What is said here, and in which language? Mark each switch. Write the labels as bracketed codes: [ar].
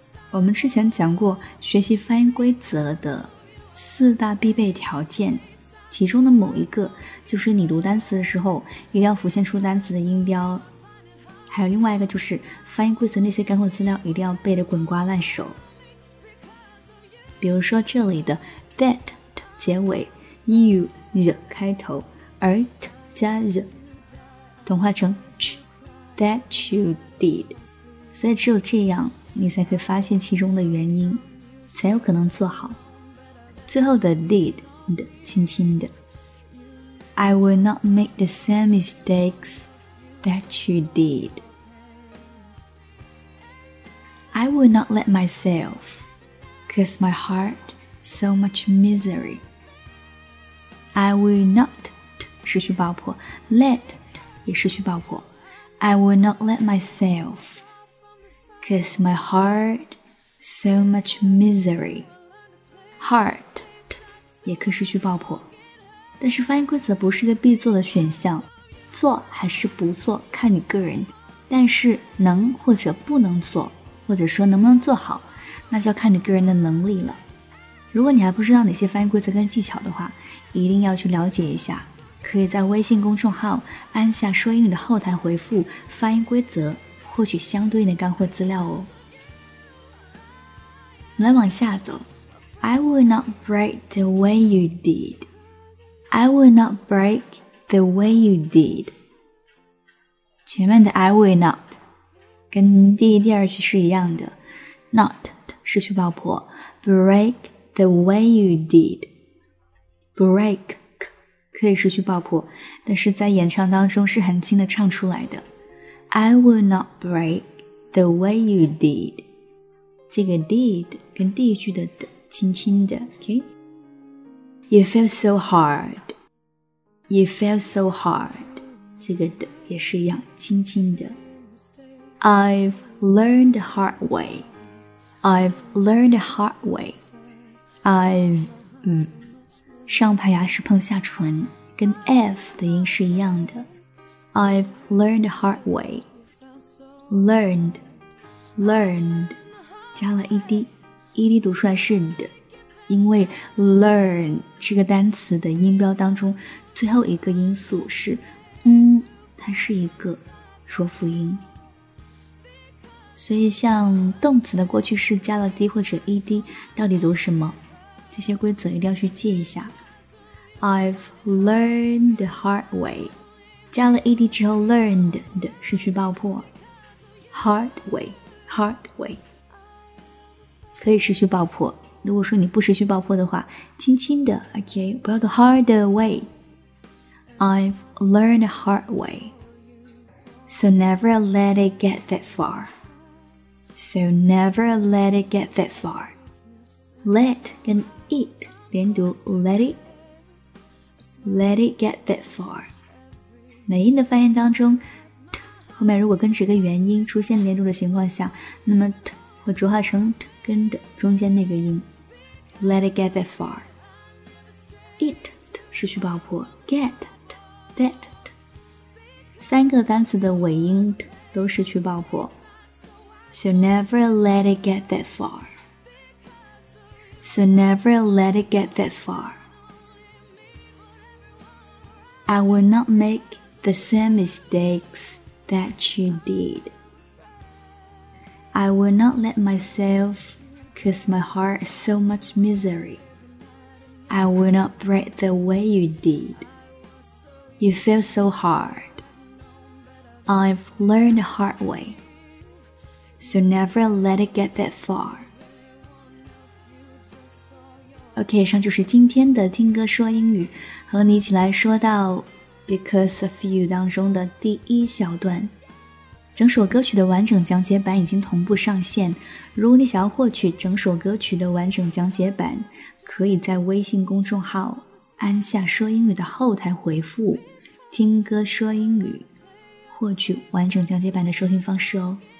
[zh] 我们之前讲过学习发音规则的四大必备条件，其中的某一个就是你读单词的时候一定要浮现出单词的音标，还有另外一个就是发音规则那些干货资料一定要背得滚瓜烂熟。比如说这里的 that 结尾 you 开头，而 t 加 z 同化成 ch, [en] That you did。 [zh] 所以只有这样你才可以发现其中的原因，才有可能做好。最后的 did 的轻轻的， [en] I will not make the same mistakes that you did. I will not let myself cause my heart so much misery. I will not [zh] 失去爆破， [en] let [zh] 也失去爆破， [en] I will not let myselfCause my heart so much misery. [zh] Heart 也可以失去爆破，但是发音规则不是一个必做的选项，做还是不做看你个人，但是能或者不能做，或者说能不能做好，那就要看你个人的能力了。如果你还不知道哪些发音规则跟技巧的话，一定要去了解一下，可以在微信公众号安夏说英语的后台回复发音规则，获取相对应的干货资料哦。我们来往下走， [en] I will not break the way you did. I will not break the way you did. [zh] 前面的 I will not 跟第一第二句是一样的， [en] not [zh] 失去爆破， [en] break the way you did. [zh] Break 可以失去爆破，但是在演唱当中是很轻的唱出来的， [en] I will not break the way you did. [zh] 这个 did 跟第一句的 d 轻轻的 ,ok? [en] You feel so hard. You feel so hard. [zh] 这个 d 也是一样轻轻的。 [en] I've learned the hard way. I've learned the hard way. I've, [zh] 上排牙齿碰下唇跟 f 的音是一样的。 [en] I've learned the hard way. [zh] learned, learned, 加了一滴，一滴读出来是 d， 因为 learn 这个单词的音标当中最后一个音素是嗯，它是一个浊辅音。所以像动词的过去式加了 d 或者 ed 到底读什么，这些规则一定要去记一下。 [en] I've learned the hard way， [zh] 加了 ed 之后 learned 的是去爆破， hard way， hard way 可以持续爆破，如果说你不持续爆破的话，轻轻的 OK， 不要读 hard way。 [en] I've learned the hard way， So never let it get that farSo never let it get that far. Let 跟 it 连读 let it. Let it get that far. [zh] 美音的发音当中 t 后面如果跟这个元音出现连读的情况下，那么 t 会浊化成 t 跟的中间那个音。 [en] Let it get that far. [zh] It 失去爆破 get t that t 三个单词的尾音 t 都失去爆破。 [en] So never let it get that far. So never let it get that far. I will not make the same mistakes that you did. I will not let myself cause my heart so much misery. I will not break the way you did. You feel so hard. I've learned the hard way. So never let it get that far. [zh] OK， 以上就是今天的听歌说英语，和你一起来说到 Because of You 当中的第一小段。整首歌曲的完整讲解版已经同步上线，如果你想要获取整首歌曲的完整讲解版，可以在微信公众号按下说英语的后台回复听歌说英语，获取完整讲解版的收听方式哦。